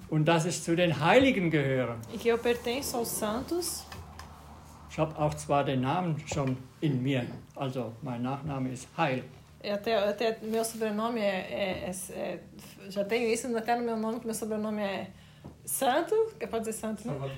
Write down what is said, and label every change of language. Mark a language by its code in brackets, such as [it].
[de] Und dass ich zu den Heiligen gehöre. [pt] E que eu pertenço aos santos. [de] Ich habe auch zwar den Namen schon in mir. Also, mein Nachname ist Heil. [pt] Até meu sobrenome é já tenho isso até no meu nome, que meu sobrenome é Santo, que pode ser Santo, né?